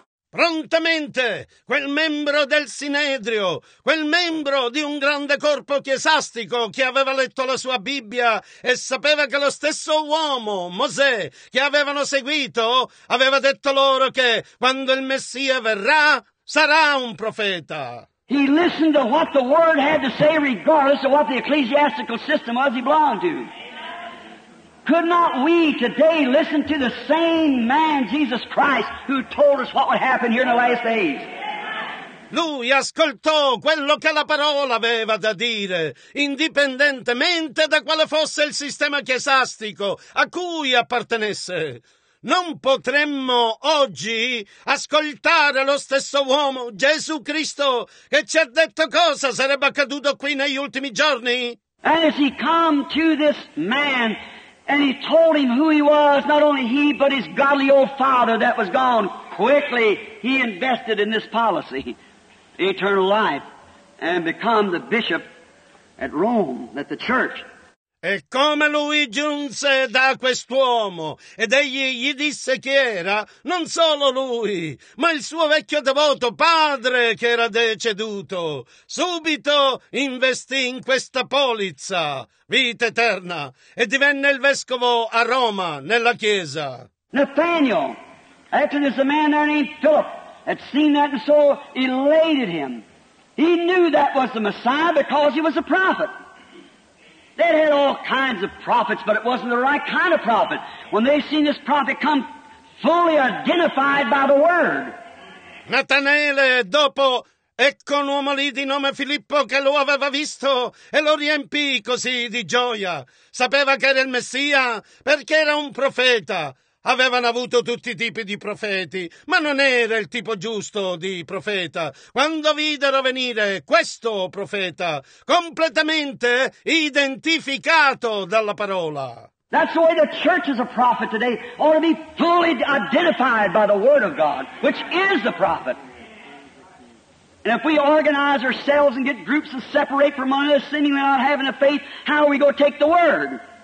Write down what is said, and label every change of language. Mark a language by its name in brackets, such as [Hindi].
[Italian] Prontamente, quel membro del Sinedrio, quel membro di un grande corpo chiesastico che aveva letto la sua Bibbia e sapeva che lo stesso uomo, Mosè, che avevano seguito, aveva detto loro che quando il Messia verrà, sarà un profeta. [English] He listened to what the word had to say regardless of what the ecclesiastical system was he belonged to. Could not we today listen to the same man, Jesus Christ, who told us what would happen here in the last days? [Italian] Lui ascoltò quello che la parola aveva da dire, indipendentemente da quale fosse il sistema chiesastico a cui appartenesse. Non potremmo oggi ascoltare lo stesso uomo, Gesù Cristo, che ci ha detto cosa sarebbe accaduto qui negli ultimi giorni? [English] As he come to this man and he told him who he was, not only he but his godly old father that was gone, quickly he invested in this policy, eternal life, and become the bishop at Rome, at the church. [Italian] E come lui giunse da quest'uomo ed egli gli disse chi era, non solo lui, ma il suo vecchio devoto padre che era deceduto, subito investì in questa polizza, vita eterna, e divenne il vescovo a Roma, nella chiesa. [English] Nathaniel, after this man there named Philip, had seen that and so elated him. He knew that was the Messiah because he was a prophet. They had all kinds of prophets, but it wasn't the right kind of prophet. When they seen this prophet come fully identified by the word. [Italian] Natanele, dopo, ecco un uomo lì di nome Filippo che lo aveva visto e lo riempì così di gioia. Sapeva che era il Messia perché era un profeta. Avevano avuto tutti i tipi di profeti, ma non era il tipo giusto di profeta. Quando videro venire questo profeta, completamente identificato dalla parola. [English] That's the way the church is a prophet today, ought to be fully identified by the word of God, which is the prophet. And if we organize ourselves and get groups and separate from one another, sinning without having a faith, how are we going to take the word?